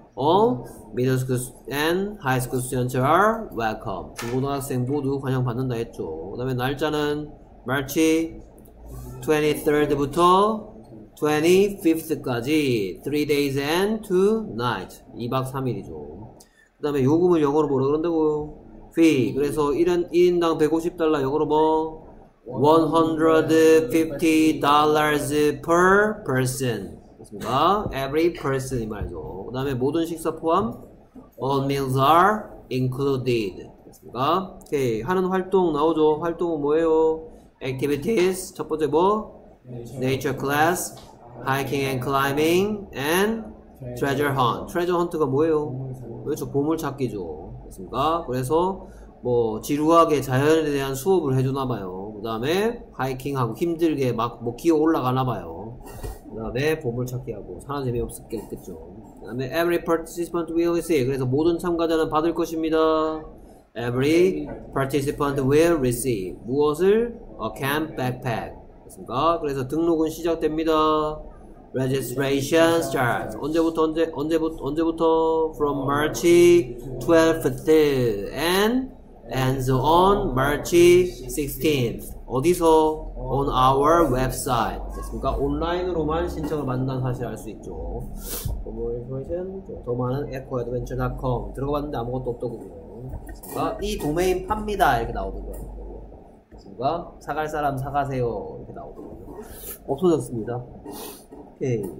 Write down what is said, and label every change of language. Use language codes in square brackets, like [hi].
[en] All middle school and high school students are welcome. [ko] 중고등학생 모두 환영받는다 했죠. 그 다음에 날짜는 March 23rd부터 25th까지 [en] 3 days and 2 nights [ko] 2박 3일이죠. 그 다음에 요금을 영어로 뭐라 그런다고요? Fee. 그래서 1인당 $150 영어로 뭐? [en] $150 per person. 맞습니다. [ko] Every person 이 말이죠. 그 다음에 모든 식사 포함 [en] All meals are included. [ko] 맞습니다. 오케이. 하는 활동 나오죠. 활동은 뭐예요? Activities 첫 번째 뭐? [en] Nature class, hiking and climbing, and treasure hunt. [ko] Treasure hunt가 뭐예요? 그렇죠. 보물 찾기죠. 맞습니다. 그래서 뭐 지루하게 자연에 대한 수업을 해주나 봐요. 그 다음에 하이킹하고 힘들게 막 뭐 기어 올라가나 봐요. 그 다음에 보물찾기하고 사람 재미없었겠죠. [en] 그 다음에 every participant will receive. [ko] 그래서 모든 참가자는 받을 것입니다. [en] Every participant will receive [ko] 무엇을? [en] A camp backpack. 됐습니까? [ko] 그래서 등록은 시작됩니다. [en] Registration starts [ko] 언제부터? 언제부터? [en] From March 12th and ends on March 16th. [ko] 어디서? [en] On our website. 됐습니까? [ko] 온라인으로만 신청을 받는다는 사실을 알 수 있죠. [en] For more information, [ko] 더 많은 [en] echoadventure.com. [ko] 들어가 봤는데 아무것도 없더군요. 됐습니까? 이 도메인 팝니다. 이렇게 나오더군요. 됐습니까? 사갈 사람 사가세요. 이렇게 나오더군요. 없어졌습니다. 오케이.